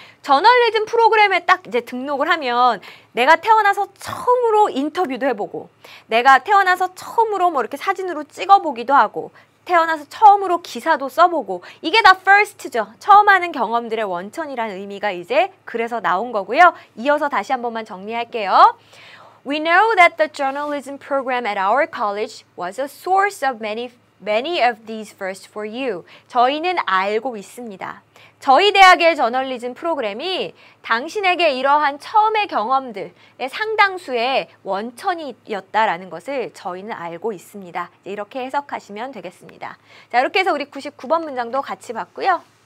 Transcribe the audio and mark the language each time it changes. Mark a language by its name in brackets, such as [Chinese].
[Korean] 저널리즘 프로그램에 딱 이제 등록을 하면 내가 태어나서 처음으로 인터뷰도 해보고 내가 태어나서 처음으로 뭐 이렇게 사진으로 찍어보기도 하고 태어나서 처음으로 기사도 써보고 이게 다 first죠. 처음 하는 경험들의 원천이라는 의미가 이제 그래서 나온 거고요. 이어서 다시 한 번만 정리할게요. [English] We know that the journalism program at our college was a source of many of these first for you. [Korean] 저희는 알고 있습니다. 저희 대학의 저널리즘 프로그램이 당신에게 이러한 처음의 경험들의 상당수의 원천이었다라는 것을 저희는 알고 있습니다. 이제 이렇게 해석하시면 되겠습니다. 자, 이렇게 해서 우리 99번 문장도 같이 봤고요.